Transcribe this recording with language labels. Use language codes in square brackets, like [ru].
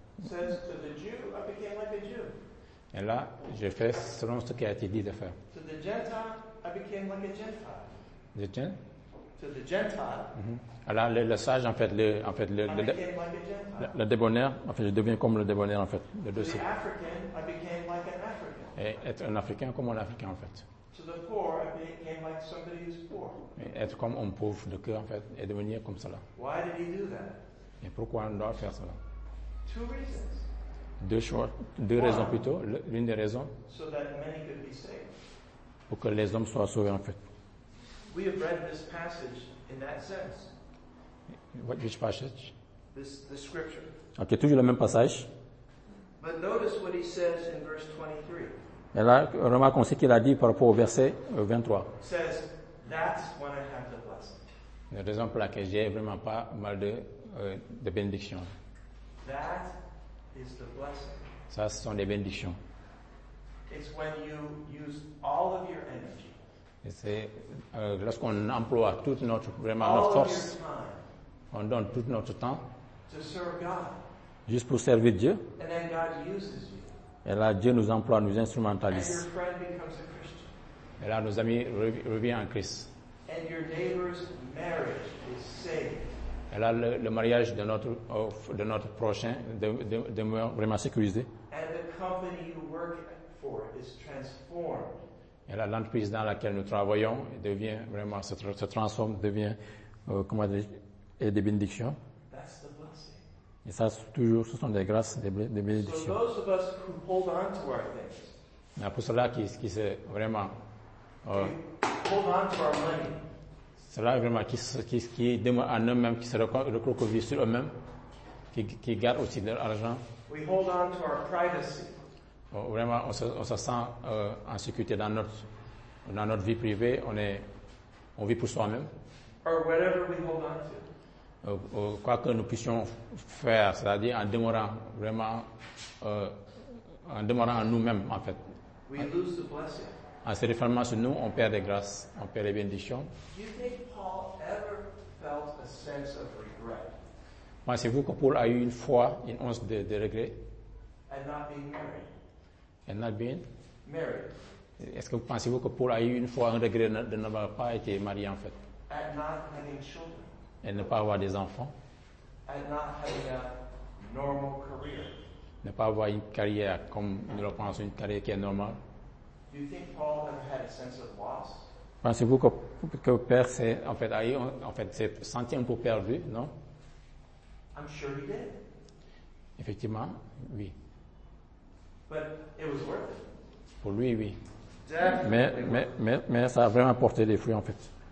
[en] Says to the Jew, I became like a Jew. [fr] Et là, je fais selon ce qui a été dit de faire. [en] To the Gentile, I became like a Gentile. The Gentile? To the Gentile. Mm-hmm. [fr] Alors le sage en fait le débonnaire, en fait je deviens comme le débonnaire en fait, le [en] dossier. The African, I became like an African. [fr] Et être un Africain comme un Africain en fait. [en] To the poor, I became like somebody who's poor. [fr] Et être comme un pauvre de cœur en fait et devenir comme cela. [en] Why did he do that? [fr] Et pourquoi on doit faire cela? [en] Two reasons. [fr] Deux raisons plutôt, l'une des raisons. [en] So that many could be saved. [fr] Pour que les hommes soient sauvés en fait. [en] We have read this passage in that sense. Which passage? This scripture. [fr] Okay, toujours le même passage. [en] But notice what he says in verse 23. [fr] Et là, remarque aussi qu'il a dit par rapport au verset 23. [en] He says, that's when I have the blessing. [fr] La raison pour laquelle j'ai vraiment pas mal de bénédictions. [en] That is the blessing. [fr] Ça, ce sont des bénédictions. [en] It's when you use all of your energy. [fr] Et c'est lorsqu'on emploie toute notre, vraiment notre force. [en] All of your time. [fr] On donne tout notre temps [en] to serve God. [fr] Juste pour servir Dieu. [en] And then God uses you. [fr] Et là, Dieu nous emploie, nous instrumentalise. [en] And your friend becomes a Christian. [fr] Et là, nos amis reviennent en Christ. [en] And your neighbor's marriage is saved. [fr] Et là, le mariage de notre prochain demeure vraiment sécurisé. [en] And the company you work for is transformed. [fr] Et là, l'entreprise dans laquelle nous travaillons devient vraiment, se transforme, devient, comment dire, et des bénédictions. [en] That's the blessing. [fr] Et ça, toujours, ce sont des grâces, des bénédictions. [en] So those of us who hold on to our things, [fr] mais pour ceux-là qui se vraiment [en] hold on to our money, [fr] C'est là vraiment qui demeure en eux-mêmes, qui se recroqueville sur eux-mêmes, qui garde aussi leur argent. We hold on to our privacy. Vraiment, on se sent en sécurité dans notre vie privée. On vit pour soi-même. [en] Or whatever we hold on to. [fr] Quoi que nous puissions faire, c'est-à-dire en demeurant vraiment en demeurant en nous-mêmes, en fait. [en] We lose the blessing. [fr] En se refermant sur nous, on perd les grâces, on perd les bénédictions. [en] Do you think Paul ever felt a sense of regret? [fr] Pensez-vous que Paul a eu une fois une once de regret? [en] And not being married. And not being married. [fr] Est-ce que pensez-vous que Paul a eu une fois un regret de n'avoir pas été marié, en fait? [en] And not having children. [fr] Et ne pas avoir des enfants. [en] And not having a normal career. [fr] Ne pas avoir une carrière comme nous le pensons, une carrière qui est normale. [en] Do you think Paul ever had a sense of loss? [fr] Pensez-vous que père s'est en fait s'est senti un peu perdu, non? [en] I'm sure he did. [fr] Effectivement, oui. [en] But it was worth it. [fr] Pour lui, oui. [en] Definitely. [fr] Mais ça a vraiment porté des fruits, en fait.